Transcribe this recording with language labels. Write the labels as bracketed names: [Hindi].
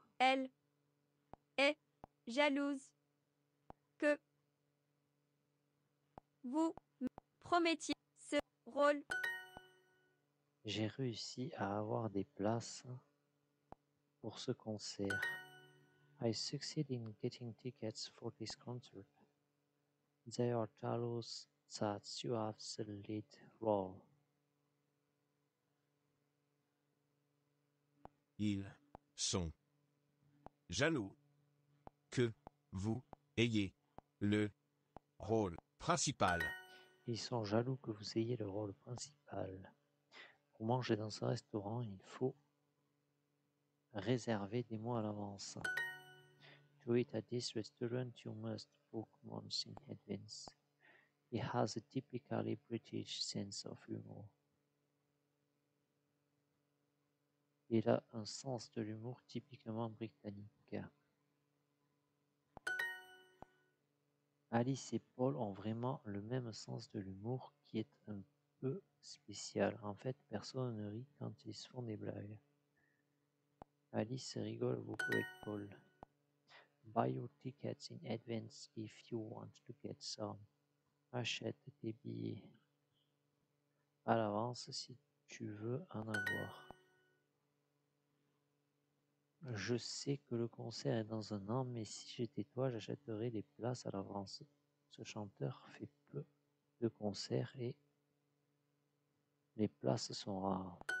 [French] Elle est jalouse que vous me promettiez ce rôle. J'ai réussi à avoir des places pour ce concert. [English] I succeeded in getting tickets for this concert. They are jealous that you have the lead role. [French] Ils sont jaloux que vous ayez le rôle principal. Ils sont jaloux que vous ayez le rôle principal. Pour manger dans ce restaurant, il faut réserver des mois à l'avance. [English] To eat at this restaurant, you must book months in advance. He has a typically British sense of humor. [French] Il a un sens de l'humour typiquement britannique. Alice et Paul ont vraiment le même sens de l'humour qui est un peu spécial. En fait, personne ne rit quand ils se font des blagues. Alice rigole beaucoup avec Paul. [English] Buy your tickets in advance if you want to get some. [French] Achète tes billets à l'avance si tu veux en avoir. Je sais que le concert est dans un an, mais si j'étais toi, j'achèterais les places à l'avance. Ce chanteur fait peu de concerts et les places sont rares.